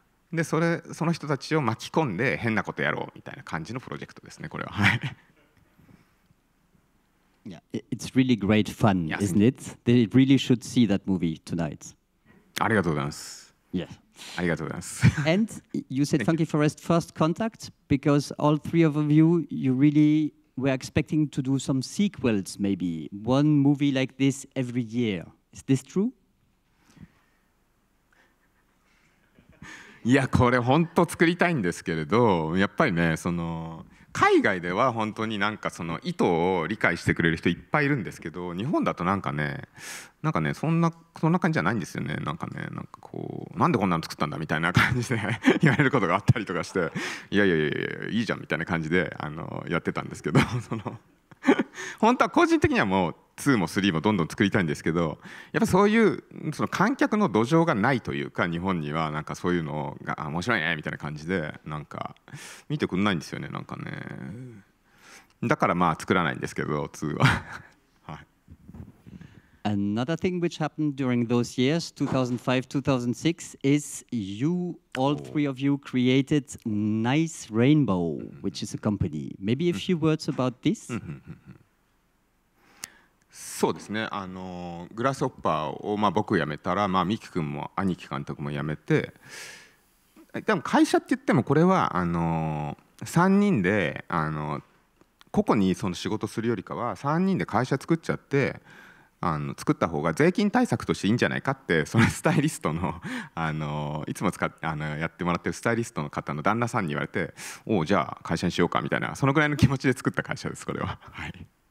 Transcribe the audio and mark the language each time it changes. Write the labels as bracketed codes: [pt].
[ja] でその人たちを巻き込んで変なことやろうみたいな感じのプロジェクトですね、これは。 [en] Yeah, it's really great fun, isn't it? They really should see that movie tonight. [ja] ありがとうございます。 [en] Yeah. [ja] ありがとうございます。 [en] And you said Funky Forest First Contact because all three of you really were expecting to do some sequels, maybe one movie like this every year. Is this true? [ja] いやこれ本当作りたいんですけれど、やっぱりね、その海外では本当になんかその意図を理解してくれる人いっぱいいるんですけど、日本だとなんかねそんな感じじゃないんですよね。なんかこうなんでこんなの作ったんだみたいな感じで言われることがあったりとかして、いやいいじゃんみたいな感じでやってたんですけど、その本当は個人的にはもう2も3もどんどん作りたいんですけど、やっぱそういうその観客の土壌がないというか、日本にはなんかそういうのが面白いねみたいな感じでなんか見てくんないんですよね、なんかね。だからまあ作らないんですけど2は。はい。 [en] Another thing which happened during those years 2005-2006 is you all three of you created Nice Rainbow, which is a company. Maybe a few words about this. [ja] そうですね、グラスホッパーを、僕辞めたら、ミキ君も兄貴監督も辞めて、でも会社って言ってもこれは、3人で、個々にその仕事するよりかは3人で会社作っちゃって、作った方が税金対策としていいんじゃないかって、そのスタイリストの、いつも使っやってもらってるスタイリストの方の旦那さんに言われて、おお、じゃあ会社にしようかみたいな、そのぐらいの気持ちで作った会社ですこれは。はい。